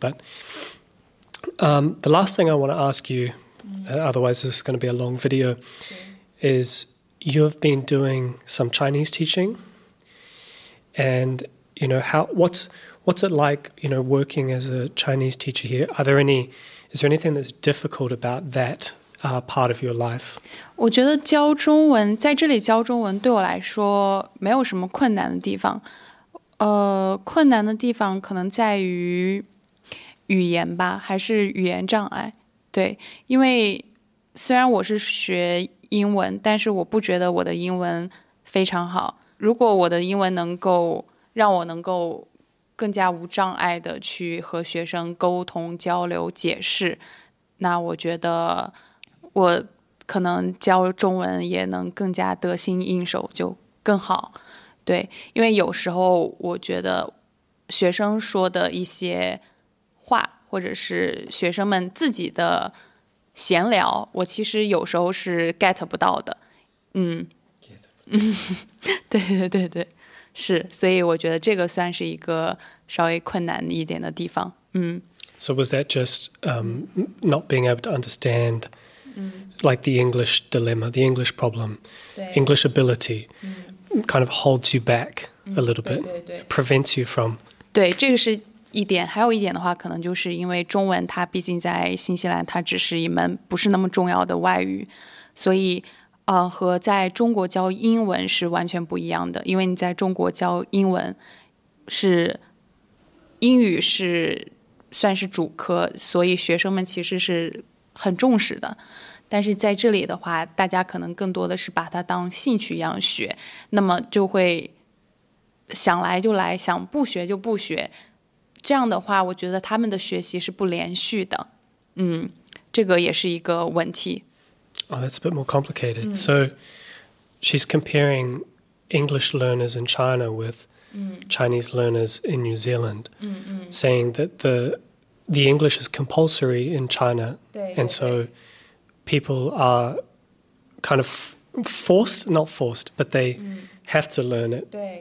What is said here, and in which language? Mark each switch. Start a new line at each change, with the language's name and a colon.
English: But the last thing I want to ask you, otherwise this is going to be a long video, is you've been doing some Chinese teaching, and you know what's it like, you know, working as a Chinese teacher here? Is there anything that's difficult about that part of your life?
Chinese: 我觉得教中文在这里教中文对我来说没有什么困难的地方。困难的地方可能在于语言吧，还是语言障碍？对，因为虽然我是学英文，但是我不觉得我的英文非常好。如果我的英文能够让我能够更加无障碍的去和学生沟通交流解释，那我觉得我可能教中文也能更加得心应手，就更好。对，因为有时候我觉得学生说的一些话，或者是学生们自己的闲聊，我其实有时候是 get 不到的。对对对对，是，所以我觉得这个算是一个稍微困难一点的地方。
English: So was that just not being able to understand like the English dilemma, the English problem, English ability kind of holds you back a little bit, prevents you from...
Chinese: 对，这个是一点，还有一点的话，可能就是因为中文它毕竟在新西兰它只是一门不是那么重要的外语，所以和在中国教英文是完全不一样的，因为你在中国教英文是英语是算是主科，所以学生们其实是很重视的，但是在这里的话，大家可能更多的是把它当兴趣一样学，那么就会想来就来，想不学就不学，这样的话我觉得他们的学习是不连续的，这个也是一个问题。
English: Oh, that's a bit more complicated. So she's comparing English learners in China with Chinese learners in New Zealand, saying that the English is compulsory in China. And so people are kind of forced, but they have to learn it.